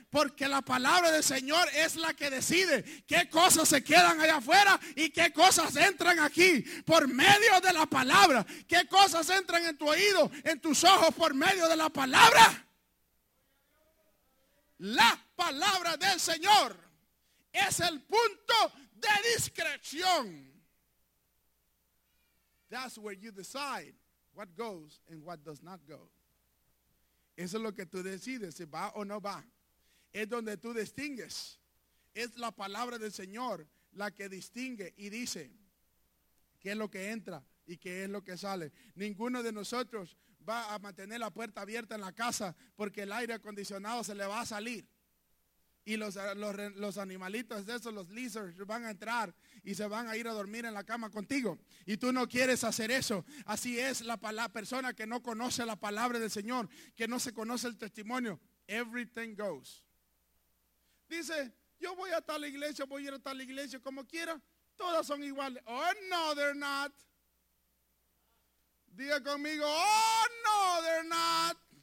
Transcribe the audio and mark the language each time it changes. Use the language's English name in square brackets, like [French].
[Spanish] Porque la palabra del Señor es la que decide qué cosas se quedan allá afuera y qué cosas entran aquí por medio de la palabra. ¿Qué cosas entran en tu oído, en tus ojos por medio de la palabra? La palabra del Señor es el punto de discreción. [English] That's where you decide what goes and what does not go. [Spanish] Eso es lo que tú decides, si va o no va. Es donde tú distingues. Es la palabra del Señor la que distingue y dice qué es lo que entra y qué es lo que sale. Ninguno de nosotros va a mantener la puerta abierta en la casa porque el aire acondicionado se le va a salir. Y los animalitos esos, los lizards, van a entrar y se van a ir a dormir en la cama contigo. Y tú no quieres hacer eso. Así es la persona que no conoce la palabra del Señor, que no se conoce el testimonio. [English] Everything goes. [Spanish] Dice, yo voy a tal iglesia, voy a ir a tal iglesia, como quiera. Todas son iguales. [English] Oh, no, they're not. [Spanish] Diga conmigo, [English] oh, no, they're not.